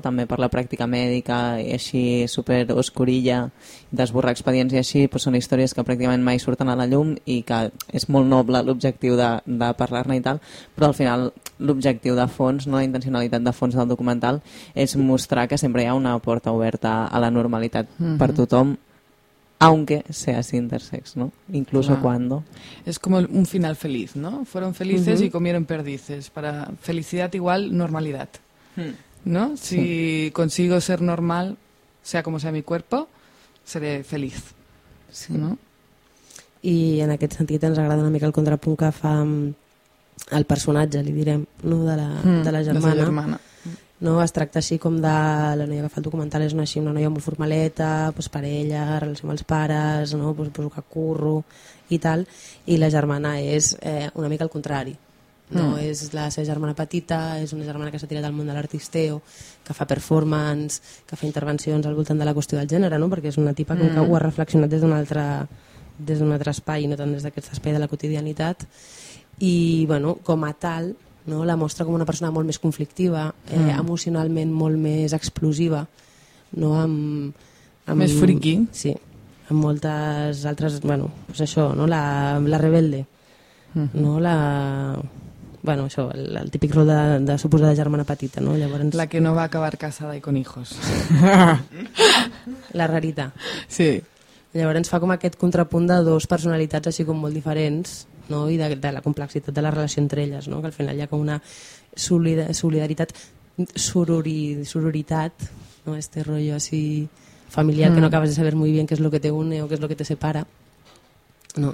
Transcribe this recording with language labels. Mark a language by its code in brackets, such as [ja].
[ca] També per la pràctica mèdica i així super oscurilla, d'esborrar expedients i així, però són històries que pràcticament mai surten a la llum i que és molt noble l'objectiu de parlar-ne i tal, però al final l'objectiu de fons, no? La intencionalitat de fons del documental és mostrar que sempre hi ha una porta oberta a la normalitat per tothom, [es] aunque seas intersex, ¿no? Incluso cuando. Es como un final feliz, ¿no? Fueron felices y comieron perdices. Para felicidad igual normalidad, ¿no? Sí. Si consigo ser normal, sea como sea mi cuerpo, seré feliz, sí. ¿No? [ca] Y en aquest sentit ens agrada una mica el contrapunt que fa el personatge, li direm, no? de la germana. De la germana. No, es tracta així com de la noia que fa el documental, és una noia molt formaleta, pues, parella, relació amb els pares, no? Pues, poso que curro i tal, i la germana és una mica al contrari. No? És la seva germana petita, és una germana que s'ha tirat al món de l'artisteo, que fa performance, que fa intervencions al voltant de la qüestió del gènere, no? Perquè és una tipa que ho ha reflexionat des d'un altre espai, no tant des d'aquest espai de la quotidianitat, i bueno, com a tal... No? La mostra com una persona molt més conflictiva, emocionalment molt més explosiva, no? amb més friqui. Sí, amb moltes altres, bueno, pues això, no? la rebelde. No? La, bueno, això, el típic rol de suposada germana petita, no? Llavors, la que no va acabar casada i [es] con hijos. La rarita. [ca] Sí. Llavors fa com aquest contrapunt de dues personalitats així com molt diferents. No? I de la complexitat de la relació entre elles, no? Que al final hi ha com una solidaritat, sororitat, no? [es] Este rotllo así familiar que no acabes de saber muy bien [ca] què és el que [es] te une o què és el que te separa, no?